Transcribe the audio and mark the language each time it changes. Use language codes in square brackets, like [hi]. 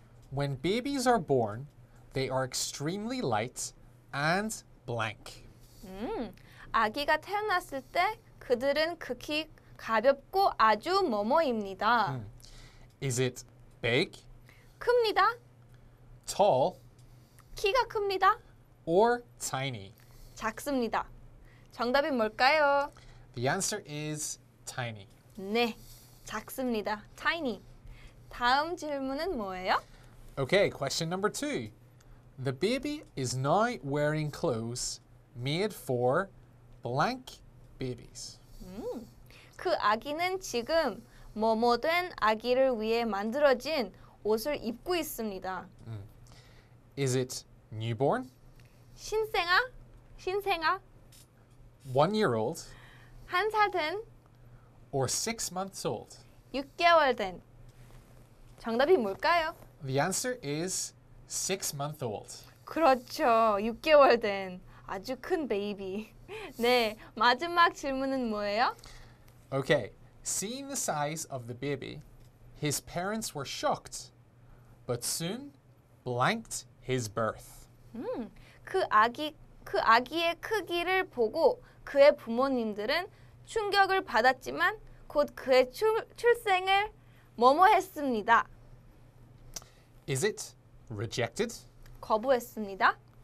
[en] When babies are born, they are extremely light and blank. [ko] 아기가 태어났을 때 그들은 극히 가볍고 아주 뭐뭐입니다. [en] Is it big? [ko] 큽니다. [en] Tall, [ko] 키가 큽니다. [en] Or tiny, [ko] 작습니다. 정답이 뭘까요? [en] The answer is tiny. [ko] 네, 작습니다. Tiny. 다음 질문은 뭐예요? [en] Okay, question number two. The baby is now wearing clothes made for blank babies. [ko] 그 아기는 지금 뭐뭐 된 아기를 위해 만들어진 옷을 입고 있습니다. [en] Is it newborn? [ko] 신생아? 신생아? [en] 1 year old? [ko] 한 살 된? [en] Or 6 months old? [ko] 6개월 된. 정답이 뭘까요? [en] The answer is 6-month-old. [ko] 그렇죠. 6개월 된 아주 큰 베이비. 네, 마지막 질문은 뭐예요? [en] Okay, seeing the size of the baby, his parents were shocked, but soon blanked his birth. [ko] 그 아기의 크기를 보고 그의 부모님들은 충격을 받았지만 곧 그의 출생을 뭐뭐했습니다. [en] Is it rejected? [ko] 거부했습니다.